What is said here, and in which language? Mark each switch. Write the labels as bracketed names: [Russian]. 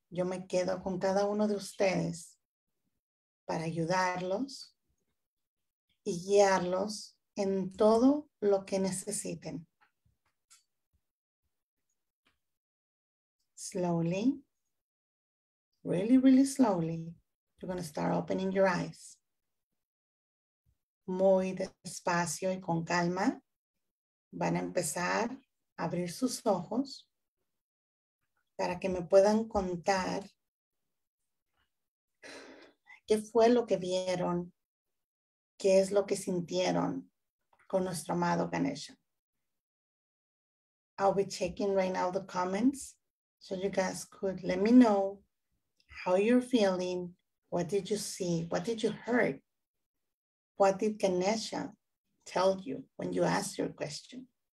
[Spanish] Yo me quedo con cada uno de ustedes para ayudarlos y guiarlos en todo lo que necesiten. [English] Slowly, really, really slowly, you're going to start opening your eyes. [Spanish] Muy despacio y con calma, van a empezar a abrir sus ojos para que me puedan contar qué fue lo que vieron, qué es lo que sintieron con nuestro amado Ganesha. [English] I'll be checking right now the comments so you guys could let me know how you're feeling, what did you see, what did you hear, what did Ganesha tell you when you asked your question.